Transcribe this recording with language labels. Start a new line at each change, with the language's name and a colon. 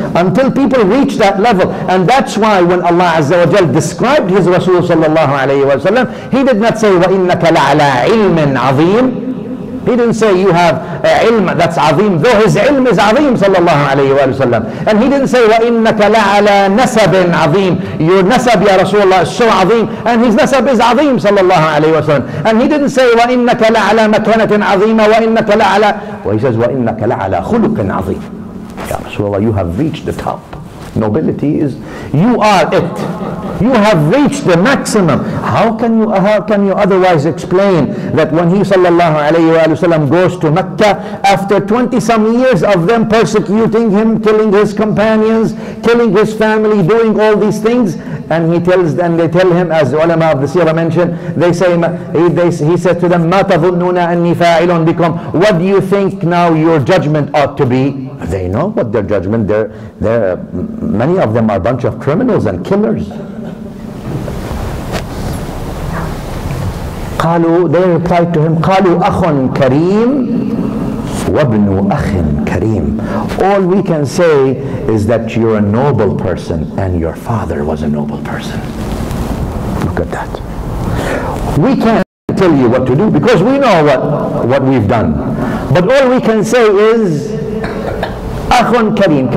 English: Until people reach that level. And that's why when Allah Azza wa Jal described His Rasul Sallallahu Alaihi Wasallam, He did not say,
Arabic: وَإِنَّكَ لَعَلَىٰ عِلْمٍ عَظِيمٍ.
English: He didn't say, you have a ilm that's azim, though His ilm is azim, Sallallahu Alaihi Wasallam. And He didn't say,
Arabic: وَإِنَّكَ لَعَلَىٰ نَسَبٍ عَظِيمٍ.
English: Your nasab, Ya Rasulullah, is so azim. And His nasab is azim, Sallallahu Alaihi Wasallam.
Arabic: And He didn't say, وَإِنَّكَ لَعَلَىٰ مَكَانَةٍ عَظِيمًا وَإِنَّكَ لَعَلَىٰ.
English: Well, He says,
Arabic: وَإِنَّكَ لَعَلَىٰ خُلُقٍ عَظِيمٍ.
English: Ya Rasulullah, you have reached the top. Nobility is, you are it. You have reached the maximum. How can you otherwise explain that when he sallallahu alayhi wa sallam goes to Mecca after 20 some years of them persecuting him, killing his companions, killing his family, doing all these things, and he tells them, they tell him, as the ulama of the seerah mentioned, they say, he said to them,
Arabic: مَا تَظُنُّونَ أَنِّي فَاعِلٌ بِكُمْ.
English: What do you think now your judgment ought to be? They know what their judgment, they're, many of them are a bunch of criminals and killers.
Arabic: قالوا,
English: they replied to him,
Arabic: قالوا أخٌ كريم وابنُ أخٍ كريم.
English: All we can say is that you're a noble person and your father was a noble person. Look at that. We can't tell you what to do because we know what we've done. But all we can say is
Arabic: أخٌ كريم.